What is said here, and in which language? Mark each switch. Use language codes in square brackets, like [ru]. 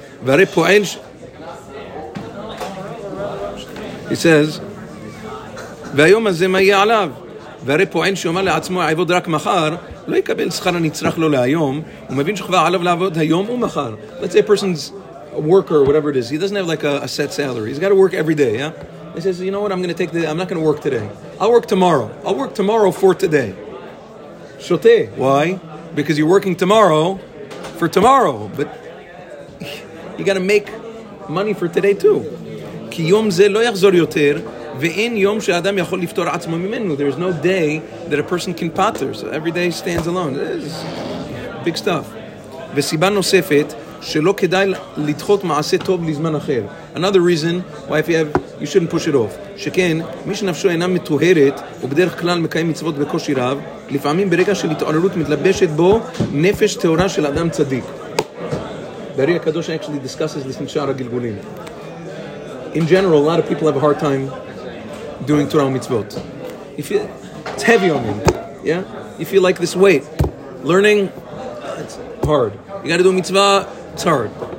[en] Yeah, it's a form of Davar Avid. He says, [he] והיום הזה מה יהיה עליו? והרי פועל שאומר לעצמו, עבוד רק מחר, לא יקבל שכר הנצרך לו להיום, ומבין שכבר עליו לעבוד היום ומחר. [en] Let's say a person's a worker or whatever it is. He doesn't have like a set salary. He's got to work every day, yeah? He says, you know what, I'm not going to work today. I'll work tomorrow. I'll work tomorrow for today. Shoteh. Why? because you're working tomorrow for tomorrow. But you got to make money for today too. [he] כי יום זה לא יחזור יותר, ואין יום שאדם יכול לפתור עצמו ממנו. [en] There is no day that a person can patter. So every day stands alone. This is big stuff. [he] וסיבה נוספת, שלא כדאי לדחות מעשה טוב לזמן אחר. [en] Another reason why if you have, you shouldn't push it off. [he] שכן, מי שנפשו אינה מטוהרת, ובדרך כלל מקיים מצוות בקושי רב, לפעמים ברגע של התעוררות מתלבשת בו נפש טהורה של אדם צדיק. [en] בריא הקדוש actually discusses this in שער הגלגולים. In general, a lot of people have a hard time doing Torah mitzvot. You feel, it's heavy on you. Yeah? You feel like this weight. Learning, it's hard. You got to do a mitzvah, it's hard.